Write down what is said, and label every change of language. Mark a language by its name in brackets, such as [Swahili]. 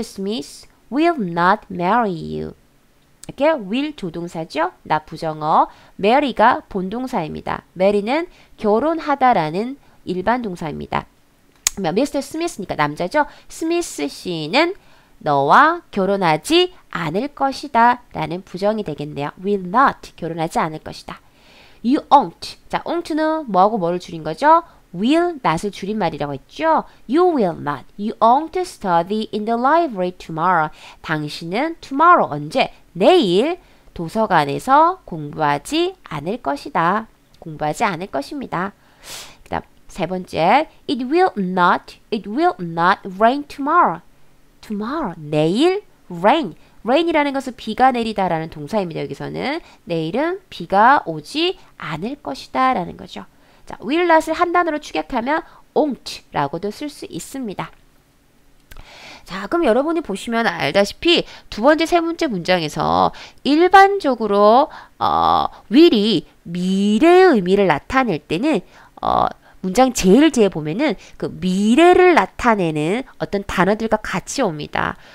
[English] Smith will not marry you. [Korean] 이렇게 will 조동사죠. not 부정어. marry가 본동사입니다. marry는 결혼하다라는 일반 동사입니다. 미스터 스미스니까 남자죠. 스미스 씨는 너와 결혼하지 않을 것이다 라는 부정이 되겠네요. Will not 결혼하지 않을 것이다. [English] You won't. [Korean] 자, won't는 뭐하고 뭐를 줄인 거죠? Will not을 줄인 말이라고 했죠. [English] You will not. You won't study in the library tomorrow. [Korean] 당신은 tomorrow 언제? 내일 도서관에서 공부하지 않을 것이다. 공부하지 않을 것입니다. 세 번째, [English] it will not rain tomorrow. tomorrow, 내일, rain. [Korean] rain이라는 것은 비가 내리다라는 동사입니다. 여기서는 내일은 비가 오지 않을 것이다 라는 거죠. 자, will not을 한 단어로 축약하면 won't라고도 쓸수 있습니다. 자, 그럼 여러분이 보시면 알다시피 두 번째, 세 번째 문장에서 일반적으로 will이 미래의 의미를 나타낼 때는 문장 제일 뒤에 보면은 그 미래를 나타내는 어떤 단어들과 같이 옵니다.